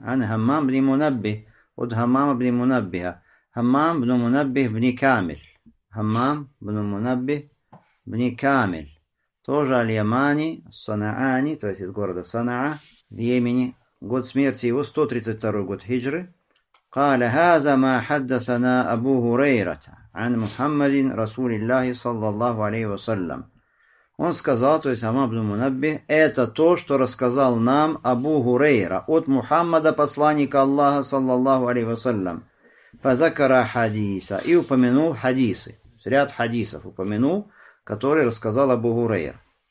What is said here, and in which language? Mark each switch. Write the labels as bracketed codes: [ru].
[ru] Ан Хаммам бни Мунабби, от Хаммама бни Мунаббиха. Хаммам бну Мунабби бни Камиль. Хаммам бну Мунабби бни Камиль. Тоже аль-Ямани ас-Санаани, то есть из города Санаа в Йемене. Год смерти его 132 год хиджры. [ar] قال هذا ما حدثنا أبو هريرة عن محمد رسول الله صلى الله عليه وسلم. [ru] Он сказал, то есть Хаммам бну Мунабби, это то, что рассказал нам Абу Хурейра от Мухаммада, посланника Аллаха [ar] صلى الله عليه وسلم. فذكر حديثا, [ru] и упомянул хадисы, ряд хадисов упомянул, который рассказал Абу Хурейр.